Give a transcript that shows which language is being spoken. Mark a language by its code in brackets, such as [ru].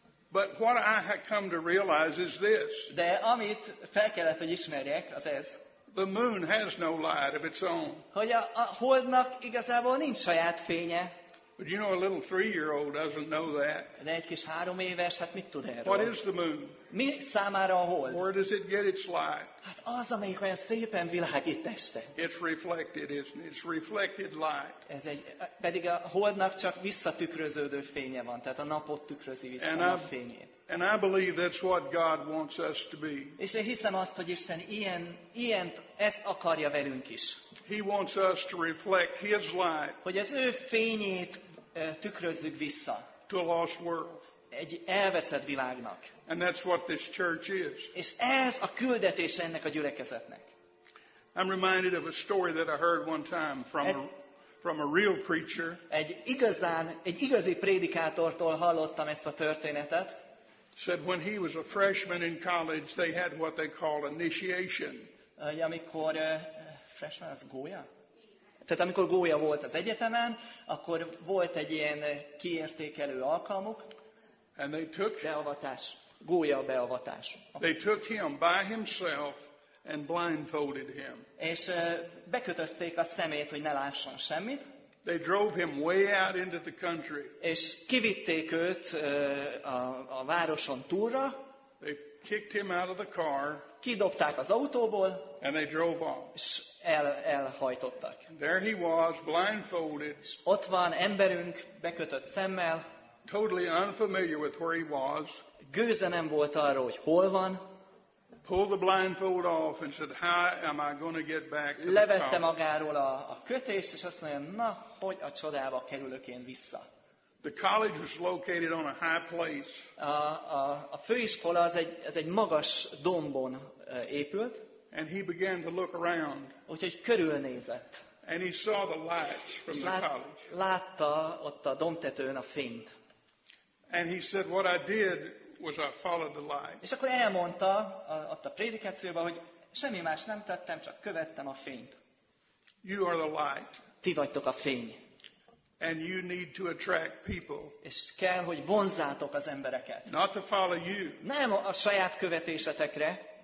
[en] But what I have come to realize is this. [hu] De amit fel kellett, hogy ismerjek, az ez. [en] The moon has no light of its own. [hu] Hogy a holdnak igazából nincs saját fénye. [en] But you know, a little 3-year-old doesn't know that. [hu] De egy kis 3 éves, hát mit tud erről? [en] What is the moon? [hu] Mi számára a hold? [en] Where does it get its light? [hu] Hát az, amelyik olyan szépen világít este. [en] It's reflected, isn't it? It's reflected light. [hu] Ez egy, pedig a holdnak csak visszatükröződő fénye van, tehát a napot tükrözi vissza a fényét. [en] And I believe that's what God wants us to be. [hu] És én hiszem azt, hogy Isten ilyent ezt akarja velünk is. [en] He wants us to reflect his light. [hu] Hogy az ő fényét tükrözzük vissza. [en] To a lost world. [hu] Egy elveszett világnak. [en] And that's what this church is. [hu] És ez a küldetés ennek a gyülekezetnek. [en] I'm reminded of a story that I heard one time from a real preacher. [hu] Egy igazi prédikátortól hallottam ezt a történetet. [en] Said when he was a freshman in college, they had what they call initiation. [hu] Amikor freshman az gólya? Tehát amikor gólya volt az egyetemen, akkor volt egy ilyen kiértékelő alkalmuk. [en] And they took [hu] beavatás, gólya beavatás. [en] They took him by himself and blindfolded him. [hu] És bekötözték a szemét, hogy ne lásson semmit. [en] They drove him way out into the country. [hu] És kivitték őt a városon túlra. [en] They kicked him out of the car. [hu] Kidobták az autóból. [en] And they drove off. [hu] És elhajtottak. [en] There he was, blindfolded. [hu] És ott van emberünk bekötött szemmel. [en] Totally unfamiliar with where he was. [hu] Gőze nem volt arról, hogy hol van. [en] Pulled the blindfold off and said, "How am I going to get back?" [hu] Levette magáról a kötést, és azt mondja, na, hogy a csodába kerülök én vissza. [en] The college was located on a high place. [hu] A főiskola az egy magas dombon épült. [en] And he began to look around. [hu] Úgyhogy körülnézett. [en] And he saw the lights from the college. [hu] Látta ott a dombtetőn a fényt. [en] And he said, "What I did was I followed the light." [hu] És akkor elmondta ott a prédikációban, hogy semmi más nem tettem, csak követtem a fényt. [en] You are the light. [hu] Ti vagytok a fény. [en] And you need to attract people. [hu] És kell, hogy vonzzátok az embereket. [en] Not to follow you. [hu] Nem a saját követésetekre.